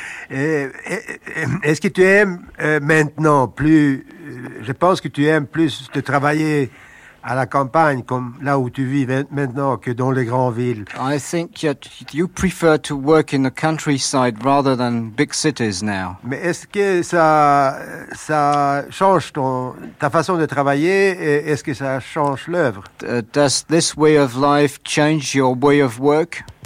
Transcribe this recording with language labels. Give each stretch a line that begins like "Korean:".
French: Et est-ce que tu aimes maintenant plus? Je pense que tu aimes plus de travailler à la campagne, comme là où tu vis maintenant, que dans les grandes villes.
English: I think that you prefer to work in the countryside rather than big cities now.
French: Mais est-ce que ça change ta façon de travailler et est-ce que ça change l'œuvre?
English: Does this way of life change your way of work?